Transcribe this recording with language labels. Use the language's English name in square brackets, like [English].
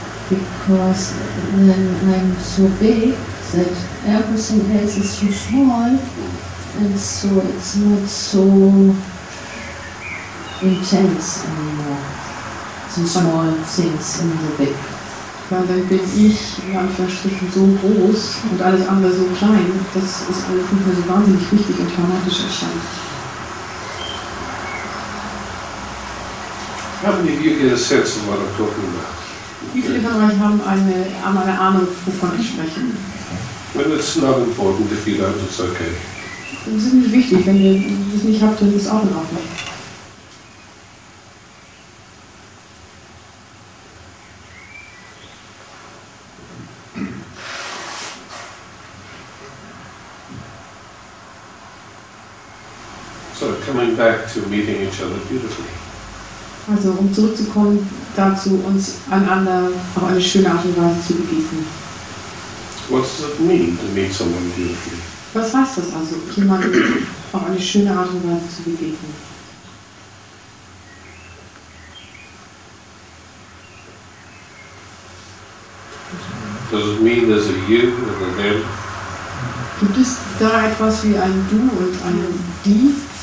[English] Because when I'm so big, that everything else is so small, and so it's not so intense anymore. Some small things in the big. [German] Weil dann bin ich in Anführungsstrichen so groß und alles andere so klein, dass es alles nicht mehr so wahnsinnig wichtig und dramatisch erscheint. [English] How many of you get a sense of what I'm talking about? [German] Wie viele von euch haben eine Ahnung, wovon ich spreche? [English] When it's not important, if you don't, it's okay. [German] Das ist nicht wichtig, wenn ihr das nicht habt, dann ist es auch in Ordnung. [English] Back to meeting each other beautifully. [German] Also um zurückzukommen dazu, uns einander auf eine schöne Art und Weise zu begegnen. [English] What does it mean to meet someone beautifully? [German] Was heißt das also, jemanden auf eine schöne Art und Weise zu begegnen? [English] Does it mean there's a you and a them? [German] Gibt es da etwas wie ein Du und ein Die?